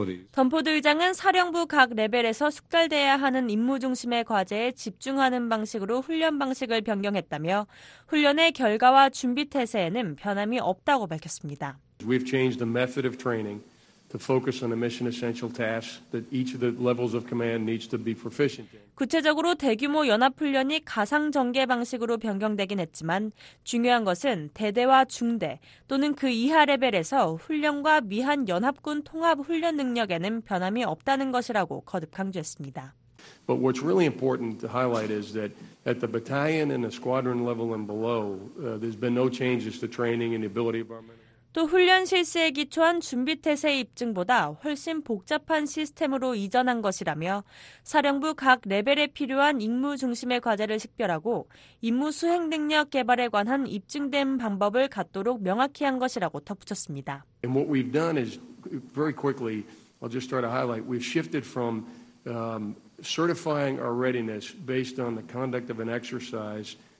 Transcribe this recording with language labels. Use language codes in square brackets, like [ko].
[ko] 덤포드 의장은 사령부 각 레벨에서 숙달돼야 하는 임무 중심의 과제에 집중하는 방식으로 훈련 방식을 변경했다며 훈련의 결과와 준비 태세에는 변함이 없다고 밝혔습니다. [en] We've changed the method of training to focus on the mission essential tasks that each of the levels of command needs to be proficient in. [ko] 구체적으로 대규모 연합훈련이 가상 전개 방식으로 변경되긴 했지만 중요한 것은 대대와 중대 또는 그 이하 레벨에서 훈련과 미한 연합군 통합 훈련 능력에는 변함이 없다는 것이라고 거듭 강조했습니다. [en] But what's really important to highlight is that at the battalion and the squadron level and below, there's been no changes to training and the ability of our men. [ko] 또 훈련 실시에 기초한 준비태세 입증보다 훨씬 복잡한 시스템으로 이전한 것이라며 사령부 각 레벨에 필요한 임무 중심의 과제를 식별하고 임무 수행 능력 개발에 관한 입증된 방법을 갖도록 명확히 한 것이라고 덧붙였습니다. [en] And what we've done is very quickly, I'll just try to highlight, we've shifted from certifying our readiness based on the conduct of an exercise